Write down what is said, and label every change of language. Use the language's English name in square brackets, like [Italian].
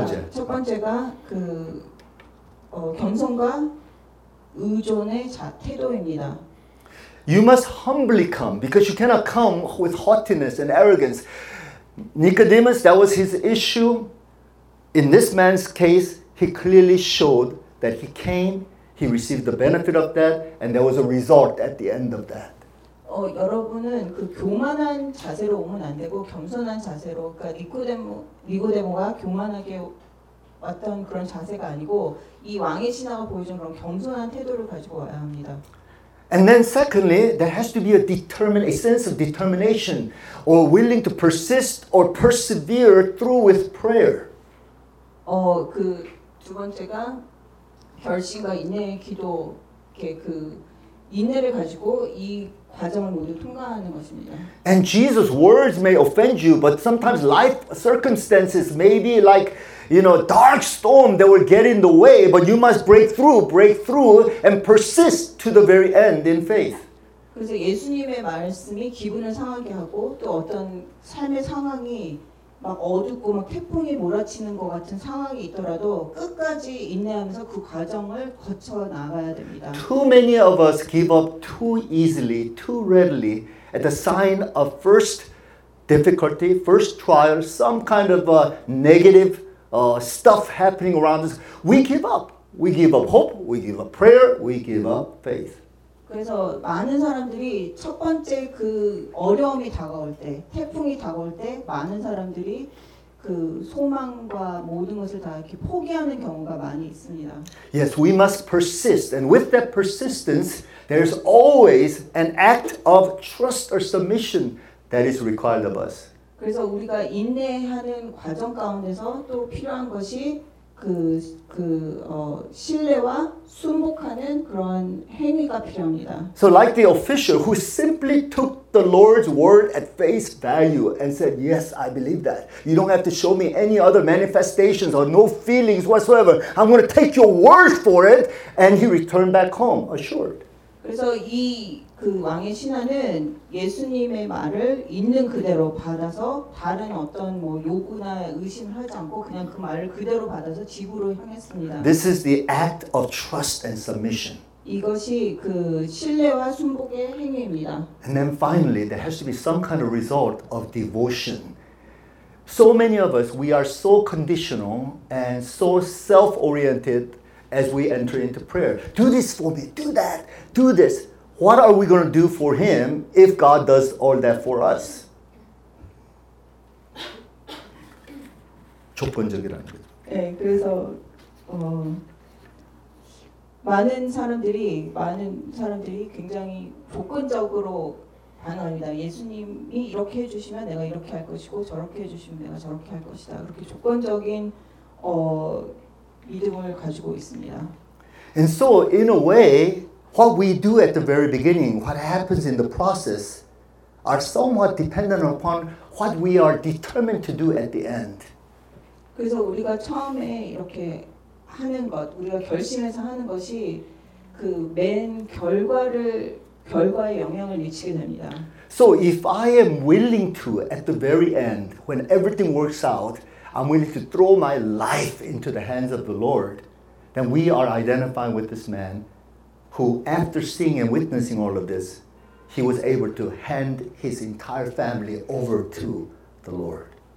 [Korean] 첫 번째가 그 겸손과 의존의 태도입니다. [English] You must humbly come because you cannot come with haughtiness and arrogance. Nicodemus, that was his issue. In this man's case, he clearly showed that he came. He received the benefit of that, and there was a result at the end of that. [Korean] 여러분은 그 교만한 자세로 오면 안 되고 겸손한 자세로, 그러니까 니고데모가 교만하게 왔던 그런 자세가 아니고 이 왕의 신하가 보여준 그런 겸손한 태도를 가지고 와야 합니다. [English] And then secondly, there has to be a sense of determination, or willing to persist or persevere through with prayer. [Korean] 그 두 번째가 결심과 인내의 기도, 그 인내를 가지고 이 과정을 모두 통과하는 것입니다. [English] And Jesus' words may offend you, but sometimes life circumstances may be like, you know, dark storm that will get in the way, but you must break through and persist to the very end in faith. [Korean] 그래서 예수님의 말씀이 기분을 상하게 하고 또 어떤 삶의 상황이 막 어둡고 막 태풍이 몰아치는 것 같은 상황이 있더라도 끝까지 인내하면서 그 과정을 거쳐 나가야 됩니다. [English] Too many of us give up too easily, too readily at the sign of first difficulty, first trial, some kind of a negative stuff happening around us. We give up. We give up hope. We give up prayer. We give up faith. [Korean] 그래서 많은 사람들이 첫 번째 그 어려움이 다가올 때, 태풍이 다가올 때 많은 사람들이 그 소망과 모든 것을 다 이렇게 포기하는 경우가 많이 있습니다. [English] Yes, we must persist. And with that persistence, there's always an act of trust or submission that is required of us. [Korean] 그래서 우리가 인내하는 과정 가운데서 또 필요한 것이 신뢰와 순복하는 그런 행위가 필요합니다. [English] So like the official who simply took the Lord's word at face value and said, "Yes, I believe that. You don't have to show me any other manifestations or no feelings whatsoever. I'm going to take your word for it." And he returned back home assured. [Korean] 그래서 이 그 왕의 신하는 예수님의 말을 있는 그대로 받아서 다른 어떤 뭐 요구나 의심을 하지 않고 그냥 그 말을 그대로 받아서 집으로 향했습니다. [English] This is the act of trust and submission. [Korean] 이것이 그 신뢰와 순복의 행위입니다. [English] And then finally, there has to be some kind of result of devotion. So many of us, we are so conditional and so self-oriented as we enter into prayer. Do this for me, do that, do this. What are we going to do for him if God does all that for us? [Korean] 조건적이라는 거죠. 네, 그래서 많은 사람들이 굉장히 조건적으로 반응합니다. 예수님이 이렇게 해주시면 내가 이렇게 할 것이고 저렇게 해주시면 내가 저렇게 할 것이다. 그렇게 조건적인 믿음을 가지고 있습니다. [English] And so in a way, what we do at the very beginning, what happens in the process, are somewhat dependent upon what we are determined to do at the end. [Korean] 그래서 우리가 처음에 이렇게 하는 것, 우리가 결심해서 하는 것이 그 맨 결과에 영향을 미치게 됩니다. [English] So if I am willing to, at the very end, when everything works out, I'm willing to throw my life into the hands of the Lord, then we are identifying with this man who, after seeing and witnessing all of this, he was able to hand his entire family over to the Lord.